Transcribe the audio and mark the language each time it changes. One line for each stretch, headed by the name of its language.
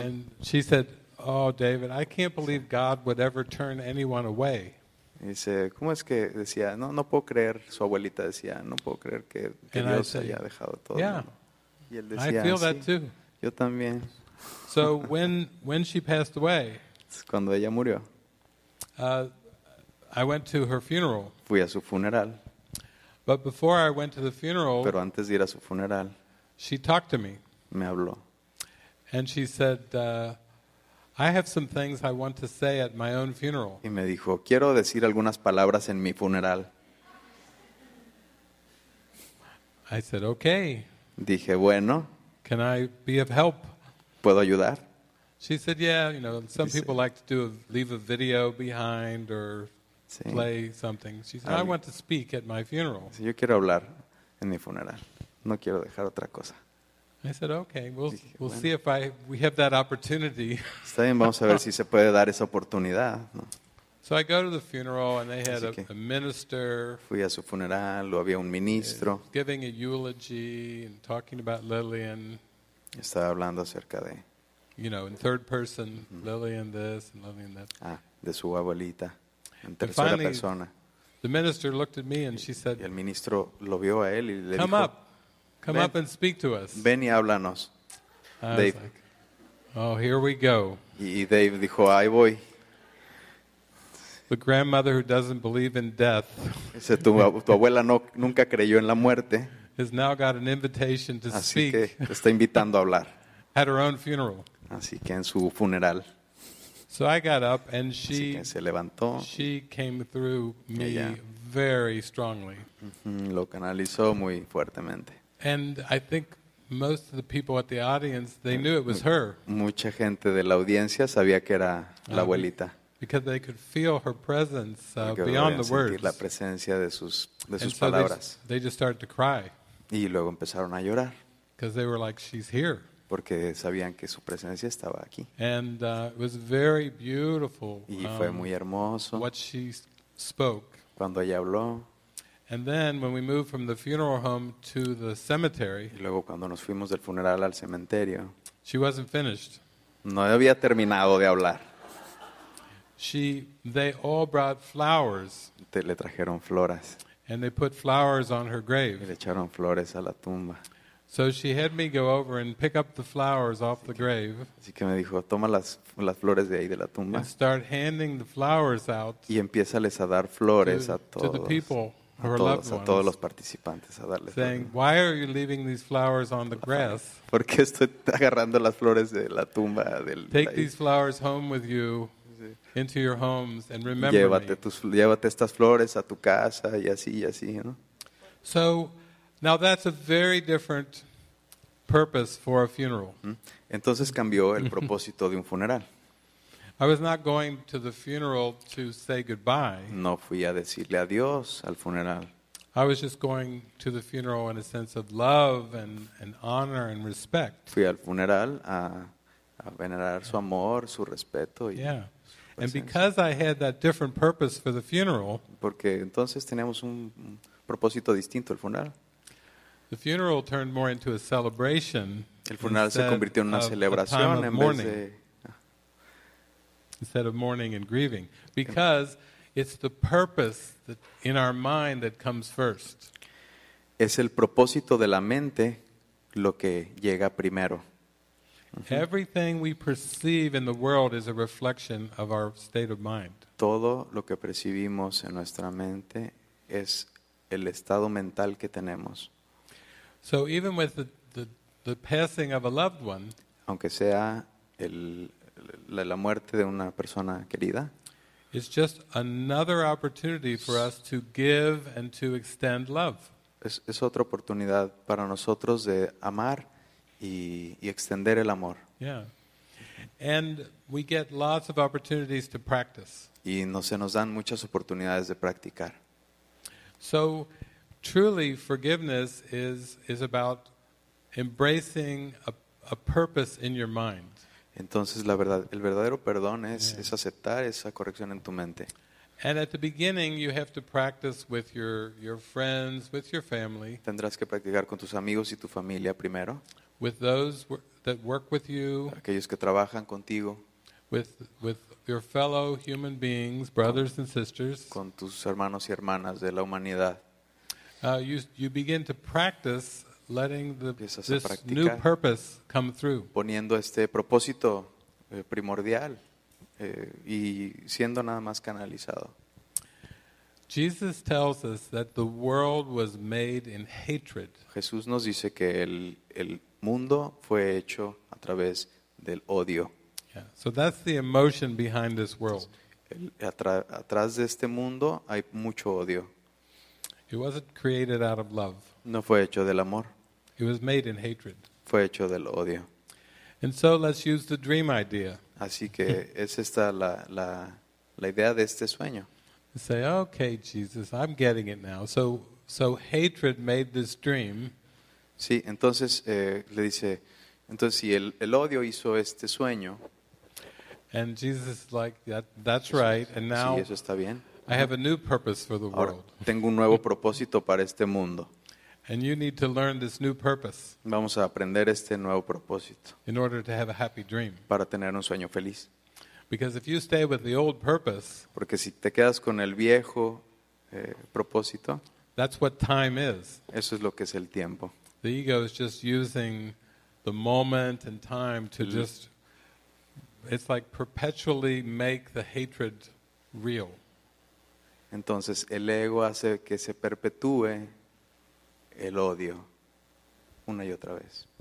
English: And she said, oh, David, I can't believe God would ever turn anyone away.
Spanish: Y dice, ¿cómo es que decía? No, no puedo creer, su abuelita decía, no puedo creer que Dios
English: say,
Spanish: haya dejado todo.
English: Yeah,
Spanish: y él decía,
English: I feel
Spanish: sí,
English: that too.
Spanish: Yo también.
English: So when she passed away,
Spanish: cuando ella murió,
English: I went to her funeral.
Spanish: Fui a su funeral.
English: But before I went to the funeral,
Spanish: pero antes de ir a su funeral,
English: she talked to me.
Spanish: Me habló.
English: And she said, I have some things I want to say at my own funeral.
Spanish: Y me dijo, quiero decir algunas palabras en mi funeral.
English: I said, okay.
Spanish: Dije, bueno.
English: Can I be of help?
Spanish: ¿Puedo ayudar?
English: She said, yeah, you know, some
Spanish: dice,
English: people like to do a, leave a video behind or
Spanish: sí,
English: play something. She said,
Spanish: alguien,
English: I want to speak at my funeral.
Spanish: Sí, yo quiero hablar en mi funeral. No quiero dejar otra cosa.
English: I said, okay, we'll
Spanish: dije,
English: we'll
Spanish: bueno,
English: see if I we have that opportunity.
Spanish: Está bien, vamos a ver si se puede dar esa oportunidad, ¿no?
English: So I go to the funeral and they had a minister.
Spanish: Fui a su funeral, había un ministro.
English: Giving a eulogy and talking about Lillian.
Spanish: Estaba hablando acerca de,
English: you know, in third person, Lillian this and Lillian that.
Spanish: Ah, de su abuelita en tercera
English: finally,
Spanish: persona.
English: The minister looked at me and she said,
Spanish: y el ministro lo vio a él y le
English: come
Spanish: dijo,
English: up. Come
Spanish: ven,
English: up and speak to us.
Spanish: Ven y háblanos.
English: I Dave. Was like, oh, here we go.
Spanish: Y Dave dijo, ahí voy.
English: The grandmother who doesn't believe in death.
Spanish: Dice, tu abuela no, nunca creyó en la muerte.
English: Has now got an invitation to
Spanish: así
English: speak.
Spanish: Así que está invitando a hablar.
English: At her own funeral.
Spanish: Así que en su funeral.
English: So I got up and she.
Spanish: Así que se levantó.
English: She came through me
Spanish: ella,
English: very strongly.
Spanish: Lo canalizó muy fuertemente.
English: And I think most of the people at the audience, they knew it was her.
Spanish: Mucha gente de la audiencia sabía que era la abuelita.
English: Because they could feel her presence beyond the words.
Spanish: La presencia de sus
English: and
Spanish: palabras.
English: So they just started to cry.
Spanish: Y luego empezaron a llorar.
English: Because they were like, she's here.
Spanish: Porque sabían que su presencia estaba aquí.
English: And it was very beautiful.
Spanish: Y fue muy hermoso.
English: What she spoke.
Spanish: Cuando ella habló.
English: And then when we moved from the funeral home to the cemetery,
Spanish: y luego cuando nos fuimos del funeral al cementerio,
English: she wasn't finished.
Spanish: No había terminado de hablar.
English: They all brought flowers.
Spanish: Le trajeron flores.
English: And they put flowers on her grave.
Spanish: Y le echaron flores a la tumba.
English: So she had me go over and pick up the flowers off the grave.
Spanish: Así que me dijo, toma las flores de ahí de la tumba.
English: And start handing the flowers out.
Spanish: Y empiézales a dar flores a todos.
English: To the people.
Spanish: A todos los participantes a darles.
English: Saying, why are you leaving these flowers on the grass?
Spanish: ¿Por qué estoy agarrando las flores de la tumba del?
English: Take these flowers home with you, into your homes, and remember
Spanish: llévate
English: me.
Spanish: Llévate estas flores a tu casa y así, ¿no?
English: So, now that's a very different purpose for a funeral.
Spanish: Entonces cambió el propósito de un funeral.
English: I was not going to the funeral to say goodbye.
Spanish: No fui a decirle adiós al funeral.
English: I was just going to the funeral in a sense of love and honor and respect.
Spanish: Fui al funeral a venerar su amor, su respeto y
English: yeah.
Spanish: Su presencia.
English: And because I had that different purpose for the funeral.
Spanish: Porque entonces teníamos un propósito distinto al funeral.
English: The funeral turned more into a celebration.
Spanish: El funeral se convirtió en una celebración
English: a time of
Spanish: en
English: mourning.
Spanish: Vez de
English: instead of mourning and grieving, because it's the purpose that in our mind that comes first.
Spanish: Es el propósito de la mente lo que llega primero.
English: Everything we perceive in the world is a reflection of our state of mind.
Spanish: Todo lo que percibimos en nuestra mente es el estado mental que tenemos.
English: So even with the passing of a loved one,
Spanish: aunque sea la muerte de una persona querida,
English: it's just another opportunity for us to give and to extend love.
Spanish: Es otra oportunidad para nosotros de amar y extender el amor.
English: Yeah. And we get lots of opportunities to practice.
Spanish: Y se nos dan muchas oportunidades de practicar.
English: So truly forgiveness is about embracing a purpose in your mind.
Spanish: Entonces el verdadero perdón es aceptar esa corrección en tu mente.
English: And at the beginning you have to practice with your friends, with your family.
Spanish: Tendrás que practicar con tus amigos y tu familia primero.
English: With those that work with you.
Spanish: Aquellos que trabajan contigo.
English: With your fellow human beings, brothers and sisters.
Spanish: Con tus hermanos y hermanas de la humanidad.
English: You begin to practice letting this new purpose come through.
Spanish: Poniendo este propósito primordial y siendo nada más canalizado.
English: Jesus tells us that the world was made in hatred.
Spanish: Jesús nos dice que el mundo fue hecho a través del odio.
English: Yeah. So that's the emotion behind this world.
Spanish: Atrás de este mundo hay mucho odio.
English: It wasn't created out of love.
Spanish: No fue hecho del amor.
English: It was made in hatred.
Spanish: Fue hecho del odio.
English: And so let's use the dream idea.
Spanish: Así que es esta la idea de este sueño.
English: Say, okay, Jesus, I'm getting it now. So hatred made this dream.
Spanish: Sí, entonces le dice, entonces si el odio hizo este sueño.
English: And Jesus is like, that's right. And now
Spanish: sí, eso está bien.
English: I have a new purpose for the world.
Spanish: Ahora, tengo un nuevo propósito para este mundo.
English: And you need to learn this new purpose.
Spanish: Vamos a aprender este nuevo propósito.
English: In order to have a happy dream.
Spanish: Para tener un sueño feliz.
English: Because if you stay with the old purpose.
Spanish: Porque si te quedas con el viejo propósito.
English: That's what time is.
Spanish: Eso es lo que es el tiempo.
English: The ego is just using the moment and time to just, it's like perpetually make the hatred real.
Spanish: Entonces el ego hace que se perpetúe el odio una y otra vez.